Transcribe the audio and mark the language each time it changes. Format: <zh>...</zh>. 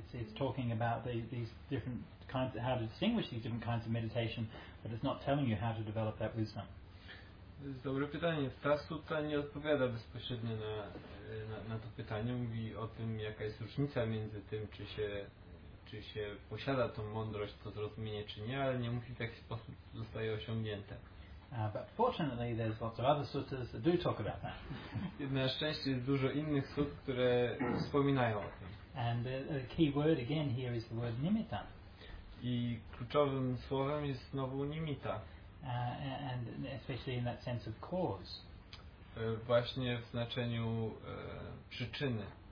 <en>It's talking about these different kinds, how to distinguish these different kinds of meditation, but it's not telling you how to develop that wisdom.</en> <pl>Dobre pytanie. Ta sutta nie odpowiada bezpośrednio na to pytanie. Mówi o tym, jaka jest różnica między tym, czy się posiada tą mądrość, to zrozumienie, czy nie, ale nie mówi, w jaki sposób zostaje osiągnięte.</pl> <en>But fortunately, there's lots of other suttas that do talk about that.</en> <pl>Na szczęście jest dużo innych sut, które wspominają o tym.</pl> <en>And the key word again here is the word nimitta.</en> <pl>I kluczowym słowem jest znowu nimitta.</pl> <en>And especially in that sense of cause.</en> <pl>właśnie w znaczeniu przyczyny.</pl>